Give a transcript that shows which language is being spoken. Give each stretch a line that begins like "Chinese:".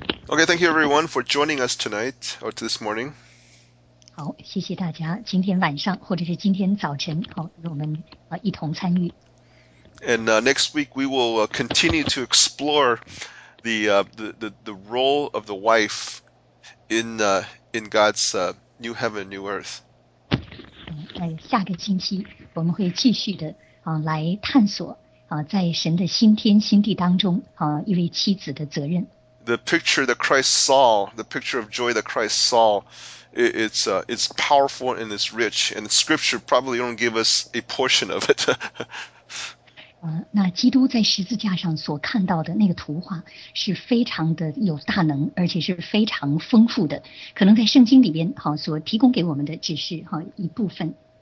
English: Okay, thank you everyone for joining us tonight or this morning.
Chinese: 好，谢谢大家今天晚上或者是今天早晨，好，与我们一同参与。
English: And next week we will continue to explore the role of the wife in God's new heaven, new earth.
Chinese: 下个星期我们会继续的来探索在神的新天新地当中一位妻子的责任。
English: The picture that Christ saw, the picture of joy that Christ saw, it's powerful and it's rich, and Scripture probably only give us a portion of it.
Chinese: 那基督在十字架上所看到的那个图画是非常的有大能，而且是非常丰富的。可能在圣经里边，所提供给我们的只是一部分。